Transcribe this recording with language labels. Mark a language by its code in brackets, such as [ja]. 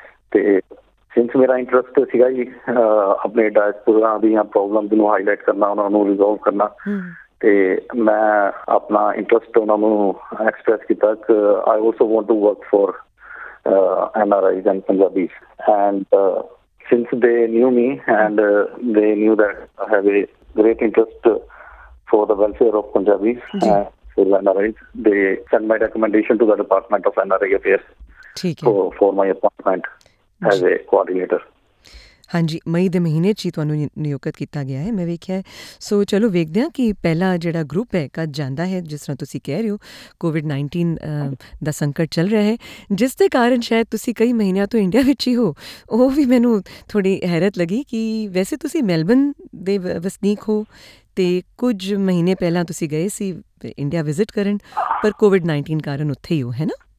[pa] ਤੇ ਸਿੰਸ ਮੇਰਾ ਇੰਟਰਸਟ ਸੀਗਾ ਜੀ ਆਪਣੇ ਡਾਇਸਪੋਰਾ ਦੀਆਂ ਪ੍ਰੋਬਲਮਸ ਨੂੰ ਹਾਈਲਾਈਟ ਕਰਨਾ, ਉਹਨਾਂ ਨੂੰ ਰਿਜ਼ੋਲਵ ਕਰਨਾ, ਤੇ ਮੈਂ ਆਪਣਾ ਇੰਟਰਸਟ ਉਹਨਾਂ ਨੂੰ ਐਕਸਪ੍ਰੈਸ ਕੀਤਾ ਕਿ [en] I also want to work for NRIs and Punjabis. And since they knew me and they knew that I have a great interest for the welfare of Punjabis and for NRIs, they sent my recommendation to the Department of NRI Affairs for my appointment as a coordinator. [pa] ਹਾਂਜੀ, ਮਈ ਦੇ ਮਹੀਨੇ 'ਚ ਹੀ ਤੁਹਾਨੂੰ ਨਿਯੁਕਤ ਕੀਤਾ ਗਿਆ ਹੈ, ਮੈਂ ਵੇਖਿਆ। ਸੋ ਚਲੋ ਵੇਖਦੇ ਹਾਂ ਕਿ ਪਹਿਲਾ ਜਿਹੜਾ ਗਰੁੱਪ ਹੈ ਕਦ ਜਾਂਦਾ ਹੈ। ਜਿਸ ਤਰ੍ਹਾਂ ਤੁਸੀਂ ਕਹਿ ਰਹੇ ਹੋ ਕੋਵਿਡ-19 ਦਾ ਸੰਕਟ ਚੱਲ ਰਿਹਾ ਹੈ, ਜਿਸ ਦੇ ਕਾਰਨ ਸ਼ਾਇਦ ਤੁਸੀਂ ਕਈ ਮਹੀਨਿਆਂ ਤੋਂ ਇੰਡੀਆ ਵਿੱਚ ਹੀ ਹੋ, ਉਹ ਵੀ ਮੈਨੂੰ ਥੋੜ੍ਹੀ ਹੈਰਤ ਲੱਗੀ ਕਿ ਵੈਸੇ ਤੁਸੀਂ ਮੈਲਬਨ ਦੇ ਵਸਨੀਕ ਹੋ ਅਤੇ ਕੁਝ ਮਹੀਨੇ ਪਹਿਲਾਂ ਤੁਸੀਂ ਗਏ ਸੀ ਇੰਡੀਆ ਵਿਜ਼ਿਟ ਕਰਨ, ਪਰ ਕੋਵਿਡ-19 ਕਾਰਨ ਉੱਥੇ ਹੀ ਹੋ, ਹੈ ਨਾ?